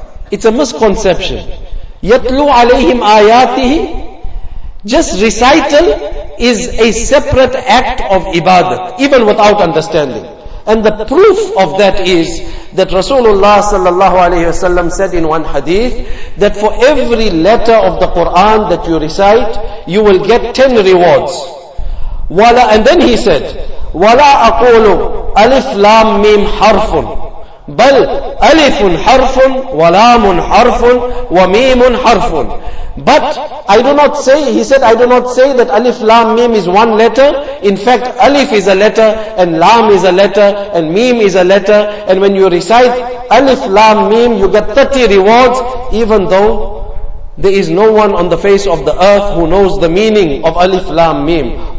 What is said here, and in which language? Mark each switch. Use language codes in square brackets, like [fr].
[en] It's a misconception. [ar] Yatlu alayhim ayatihi, [en] just recital is a separate act of ibadat, even without understanding. And the proof of that is that Rasulullah sallallahu alayhi wasallam said in one hadith that for every letter of the Quran that you recite, you will get 10 rewards. [ar] And then he said, وَلَا أَقُولُ أَلِفْ لَامْ مِيمْ حَرْفٌ بَلْ أَلِفٌ حَرْفٌ وَلَامٌ حَرْفٌ وَمِيمٌ حَرْفٌ. [en] But I do not say, he said, I do not say that Alif Lam Mim is one letter. In fact, Alif is a letter and Lam is a letter and Mim is a letter. And when you recite Alif Lam Mim, you get 30 rewards, even though There is no one on the face of the earth who knows the meaning of Alif Lam Mim.